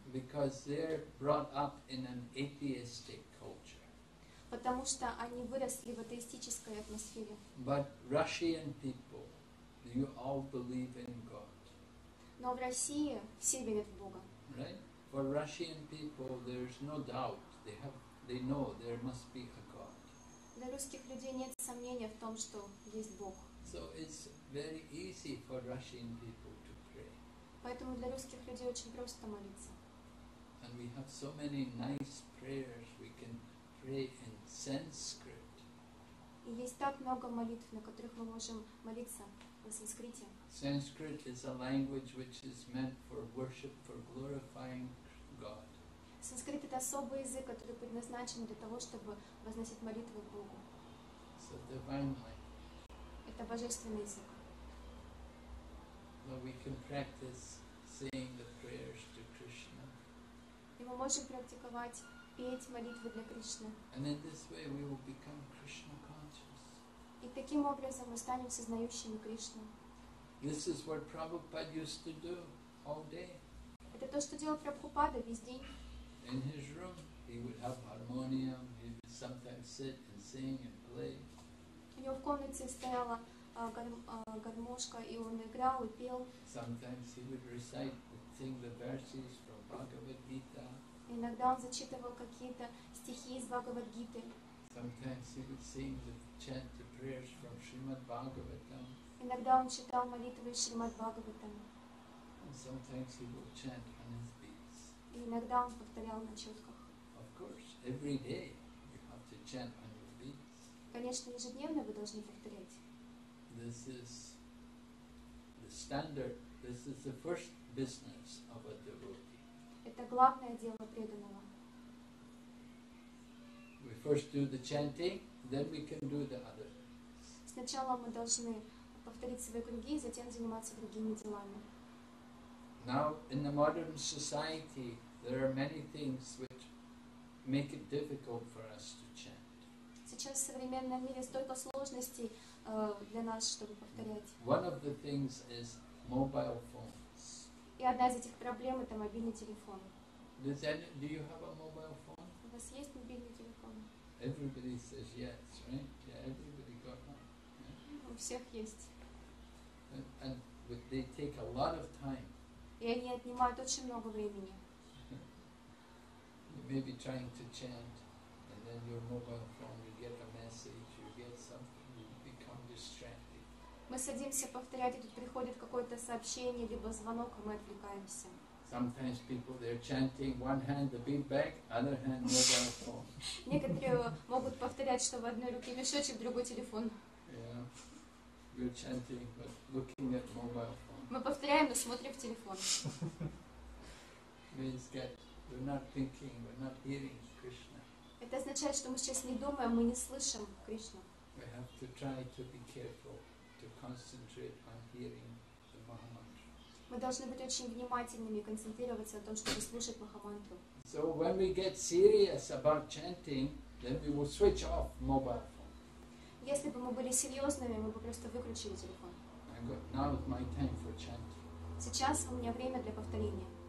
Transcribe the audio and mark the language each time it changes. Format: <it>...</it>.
<en>Because they're brought up in an atheistic culture.</en> <ru>Потому что они выросли в атеистической атмосфере.</ru> <en>But Russian people, you all believe in God.</en> <ru>Но в России все верят в Бога.</ru> <en>Right? For Russian people, there's no doubt. They know there must be a God.</en> <ru>Для русских людей нет сомнения в том, что есть Бог.</ru> <en>So it's very easy for Russian people to pray.</en> <ru>Поэтому для русских людей очень просто молиться.</ru> <en>And we have so many nice prayers we can pray in Sanskrit.</en> <ru>И есть так много молитв, на которых мы можем молиться в санскрите.</ru> <en>Sanskrit is a language which is meant for worship, for glorifying God.</en> <ru>Санскрит — это особый язык, который предназначен для того, чтобы возносить молитвы Богу.</ru> <en>So divine language.</en> <ru>Это божественный язык.</ru> <en>So we can practice saying the prayers to Krishna.</en> <ru>И мы можем практиковать, петь молитвы для Кришны.</ru> <en>And in this way we will become Krishna conscious.</en> <ru>И таким образом мы станем сознающими Кришну.</ru> <en>This is what Prabhupada used to do all day.</en> <ru>Это то, что делал Прабхупада весь день.</ru> <en>In his room, he would have harmonium. He would sometimes sit and sing and play.</en> <ru>У него в комнате стояла гармошка, и он играл и пел.</ru> <en>Sometimes he would recite and sing the verses from Bhagavad Gita.</en> <ru>Иногда он зачитывал какие-то стихи из Бхагавад Гиты.</ru> <en>Sometimes he would sing the chant the prayers from Srimad Bhagavatam.</en> <ru>Иногда он читал молитвы из Шримад Бхагаватам.</ru> <en>And sometimes he would chant on his beats.</en> <ru>И иногда он повторял на четках.</ru> <en>Of course, every day you have to chant on your beats.</en> <ru>Конечно, ежедневно вы должны повторять.</ru> <en>This is the standard. This is the first business of a devotee.</en> <ru>Это главное дело преданного.</ru> <en>We first do the chanting, then we can do the other.</en> <ru>Сначала мы должны повторить свои круги, затем заниматься другими делами.</ru> <en>Now, in the modern society, there are many things which make it difficult for us to chant.</en> <ru>Сейчас в современном мире столько сложностей для нас, чтобы повторять.</ru> <en>One of the things is mobile phones.</en> <ru>И одна из этих проблем — это мобильный телефон.</ru> <en>Do you have a mobile phone?</en> <ru>У вас есть мобильный телефон?</ru> <en>Everybody says yes, right? Yeah, everybody got one.</en> <ru>У всех есть.</ru> <en>And they take a lot of time.</en> <ru>И они отнимают очень много времени.</ru> <en>You may be trying to chant, and then your mobile phone, you get a message, you get something, you become distracted.</en> <ru>Мы садимся повторять, и тут приходит какое-то сообщение либо звонок, и мы отвлекаемся.</ru> <en>Sometimes people they're chanting one hand the big bag, other hand mobile phone.</en> <ru>Некоторые могут повторять, что в одной руке мешочек, в другой телефон.</ru> <en>Yeah. You're chanting but looking at mobile phone.</en> <ru>Мы повторяем, но смотрим в телефон.</ru> <en>Means that we're not thinking, we're not hearing Krishna.</en> <ru>Это означает, что мы сейчас не думаем, мы не слышим Кришну.</ru> <en>We have to try to be careful to concentrate on hearing the Mahamantra.</en> <ru>Мы должны быть очень внимательными и концентрироваться на том, чтобы слушать Махамантру.</ru> <en>So when we get serious about chanting, then we will switch off mobile.</en> <ru>Если бы мы были серьезными, мы бы просто выключили телефон.</ru> <en>Now is my time for chanting.</en> <ru>Сейчас у меня время для повторения.</ru>